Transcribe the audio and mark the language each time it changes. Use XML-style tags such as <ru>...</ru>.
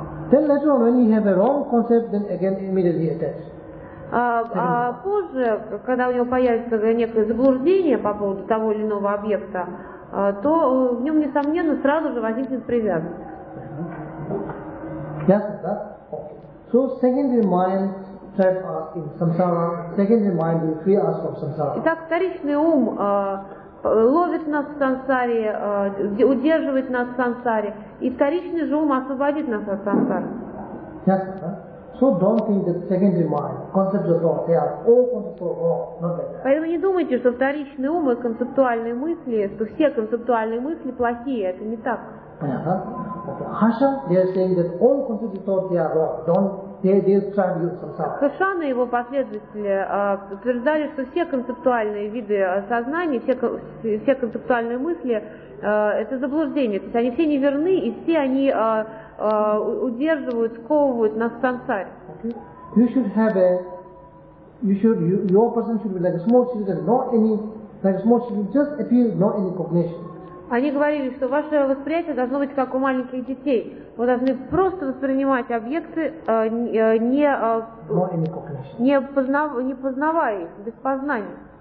<en>Then later on, when you have a wrong concept, then again immediately attached.</en> <ru>Позже, когда у него появится некое заблуждение по поводу того или иного объекта, то в нем несомненно сразу же возникнет привязанность.</ru> <en>Yes, да? So secondary mind trap us in samsara. Secondary mind will free us from samsara.</en> <ru>Итак, вторичный ум ловит нас в сансаре, удерживает нас в сансаре, и вторичный же ум освободит нас от сансары.</ru> <en>Yes, so don't think that secondary mind, concepts of thought, they are all concepts of thought, not like that.</en> <ru>Поэтому не думайте, что вторичный ум и концептуальные мысли, что все концептуальные мысли плохие, это не так.</ru> <en>Хаша, they are saying that all concepts of thought, they are wrong, don't.</en> <ru>Хашана и его последователи утверждали, что все концептуальные виды сознания, все концептуальные мысли это заблуждение. То есть они все неверны и все они удерживают, сковывают нас в сансаре.</ru> <en>Okay. Your person should be like a small citizen, just appear, not any cognition.</en> <ru>Они говорили, что ваше восприятие должно быть как у маленьких детей. Вы должны просто воспринимать объекты, не познавая их, без познания.</ru>